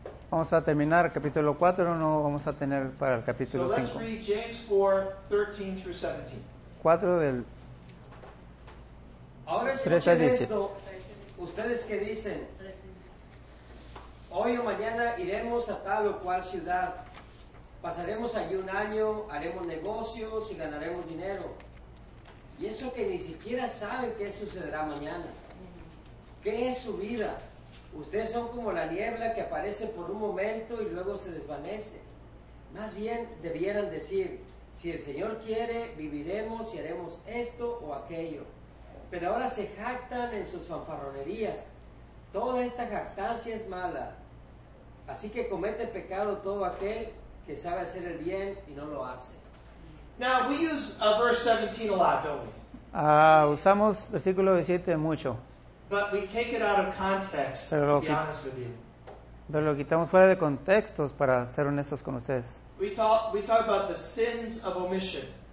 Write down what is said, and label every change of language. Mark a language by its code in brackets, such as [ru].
[es] Vamos a terminar el capítulo 4, no vamos a tener para el capítulo 5. [en] So let's read James 4, 13 through 17. [es] 4 del... Ahora escuchen esto, ustedes que dicen, hoy o mañana iremos a tal o cual ciudad, pasaremos allí un año, haremos negocios y ganaremos dinero. Y eso que ni siquiera saben qué sucederá mañana. ¿Qué es su vida? Ustedes son como la niebla que aparece por un momento y luego se desvanece. Más bien debieran decir, si el Señor quiere, viviremos y haremos esto o aquello. Pero ahora se jactan en sus fanfarronerías. Toda esta jactancia es mala. Así que comete pecado todo aquel que sabe hacer el bien y no lo hace. [en] Now we use verse 17 a lot, don't we? [es] Usamos versículo 17 mucho. [en] But we take it out of context, to be honest with you. [es] Pero lo quitamos fuera de contextos para ser honestos con ustedes. [en] We talk about the sins of omission.